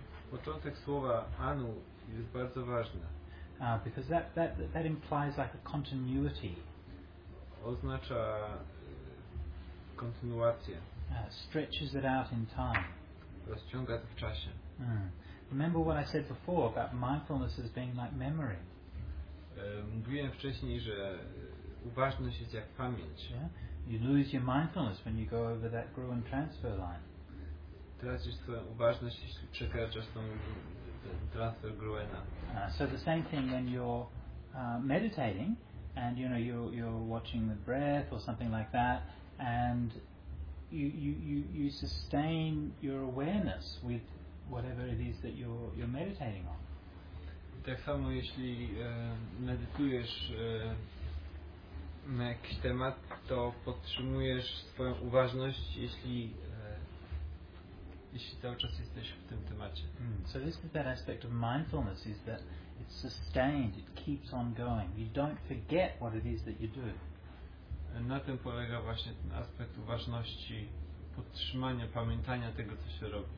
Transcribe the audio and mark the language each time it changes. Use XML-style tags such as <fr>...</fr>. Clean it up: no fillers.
<pl>Początek słowa anu jest bardzo ważny.</pl> <en>Because that implies like a continuity.</en> <pl>Oznacza kontynuację.</pl> <en>Stretches it out in time.</en> <pl>Rozciąga to w czasie. Mm.</pl> <en>Remember what I said before about mindfulness as being like memory.</en> <pl>Mówiłem wcześniej, że uważność jest jak pamięć.</pl> <en>Yeah? You lose your mindfulness when you go over that Gruen transfer line.</en> <pl>Tracisz swoją uważność, jeśli przekraczasz tą transfer Gruena.</pl> <en>So the same thing when you're meditating and you know you're watching the breath or something like that and you sustain your awareness with whatever it is that you're meditating on.</en> <pl>Tak samo jeśli medytujesz na jakiś temat, to podtrzymujesz swoją uważność, jeśli cały czas jesteś w tym temacie. Mm.</pl> <en>So this is that aspect of mindfulness, is that it's sustained, it keeps on going. You don't forget what it is that you do.</en> <pl>Na tym polega właśnie ten aspekt uważności, podtrzymania, pamiętania tego, co się robi.</pl>